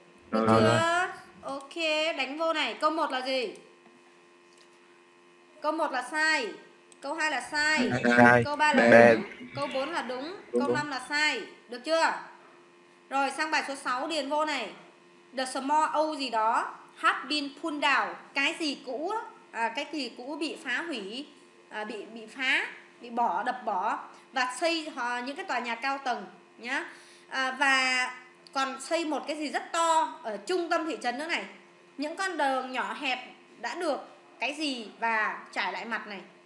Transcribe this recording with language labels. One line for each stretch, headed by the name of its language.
Vietnamese: Được chưa? Ok, đánh vô này. Câu 1 là gì? Câu 1 là sai. Câu 2 là sai. Câu 3 là đúng. Câu 4 là đúng. Câu 5 là sai. Được chưa? Rồi, sang bài số 6 điền vô này.
English: The small old
Vietnamese: gì đó
English: have been pulled down.
Vietnamese: Cái gì cũ, cái gì cũ bị phá hủy, bị phá, bị bỏ, đập bỏ và xây những cái tòa nhà cao tầng nhá. Và còn xây một cái gì rất to ở trung tâm thị trấn nữa này. Những con đường nhỏ hẹp đã được cái gì và trải lại mặt này.